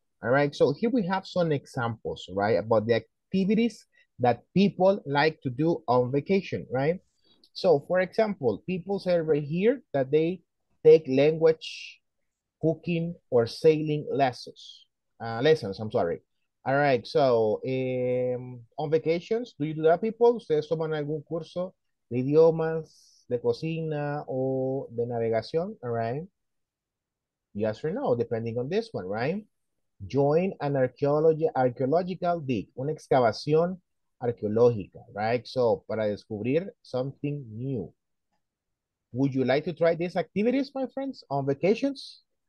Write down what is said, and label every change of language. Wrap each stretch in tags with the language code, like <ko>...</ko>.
<en>All right, so here we have some examples, right, about the activities that people like to do on vacation, right? So, for example, people say right here that they take language, cooking, or sailing lessons. All right, so on vacations, do you do that, people?</en> <es>¿Ustedes toman algún curso de idiomas, de cocina, o de navegación?</es> <en>All right. Yes or no, depending on this one, right? Join an archaeological dig,</en> <es>una excavación arqueológica,</es> <en>right? So,</en> <es>para descubrir</es> <en>something new. Would you like to try these activities, my friends, on vacations?</en>